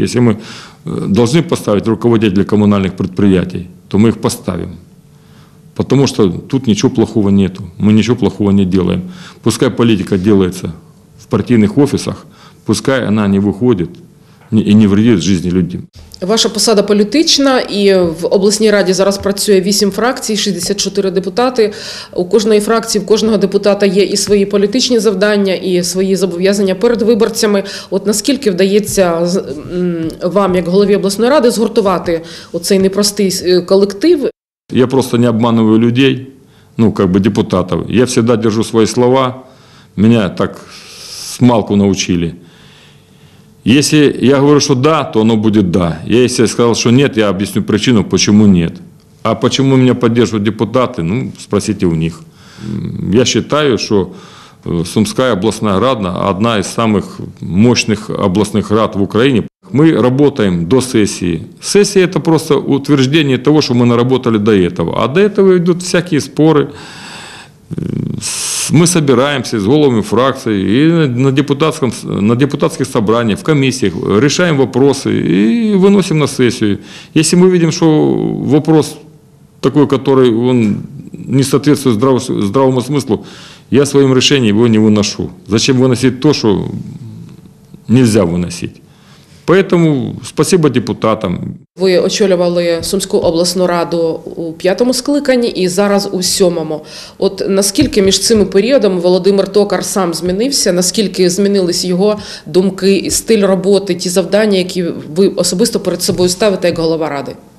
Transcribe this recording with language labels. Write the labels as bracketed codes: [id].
[ru] Если мы должны поставить руководителя коммунальных предприятий, то мы их поставим. Потому что тут ничего плохого нету, мы ничего плохого не делаем. Пускай политика делается в партийных офисах, пускай она не выходит и не вредит жизни людей. [uk] Ваша посада політична, і в обласній раді зараз працює 8 фракцій, 64 депутати. У кожної фракції, в кожного депутата є і свої політичні завдання, і свої зобов'язання перед виборцями. От наскільки вдається вам, як голові обласної ради, згуртувати оцей непростий колектив? [ru] Я просто не обманываю людей, ну, как бы депутатів. [uk] Я завжди держу свої слова, мене так смалку навчили. [ru] Если я говорю, что да, то оно будет да. Если я сказал, что нет, я объясню причину, почему нет. А почему меня поддерживают депутаты, ну, спросите у них. Я считаю, что Сумская областная рада одна из самых мощных областных рад в Украине. Мы работаем до сессии. Сессия – это просто утверждение того, что мы наработали до этого. А до этого идут всякие споры. Мы собираемся с головами фракций и на депутатских собраниях, в комиссиях, решаем вопросы и выносим на сессию. Если мы видим, что вопрос такой, который он не соответствует здравому смыслу, я своим решением его не выношу. Зачем выносить то, что нельзя выносить? Поэтому спасибо депутатам. [uk] Ви очолювали Сумську обласну раду у п'ятому скликанні і зараз у сьомому. От наскільки між цими періодами Володимир Токар сам змінився, наскільки змінились його думки, стиль роботи, ті завдання, які ви особисто перед собою ставите як голова ради?